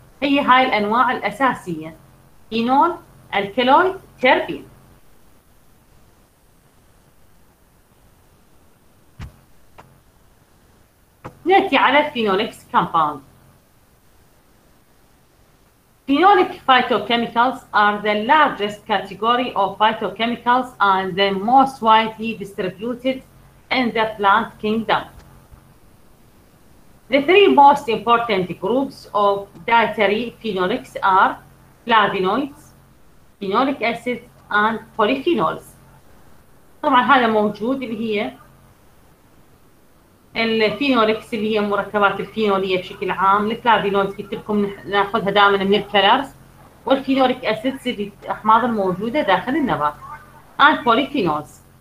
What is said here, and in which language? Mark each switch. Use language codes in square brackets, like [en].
[ar] هي هاي الانواع الاساسيه: فينول، الكلويد، تيربين. نأتي على الفينولكس كومباوند. [en] Phenolic phytochemicals are the largest category of phytochemicals and the most widely distributed in the plant kingdom. The three most important groups of dietary phenolics are flavonoids, phenolic acids, and polyphenols. [ar] طبعا هذا موجود اللي هي الفينولكس اللي هي مركبات الفينوليه بشكل عام، الفلافينولز قلت لكم ناخذها دائما من الكلرز، والفينوليك اسيدز اللي الاحماض الموجوده داخل النبات، اند بوليفينولز.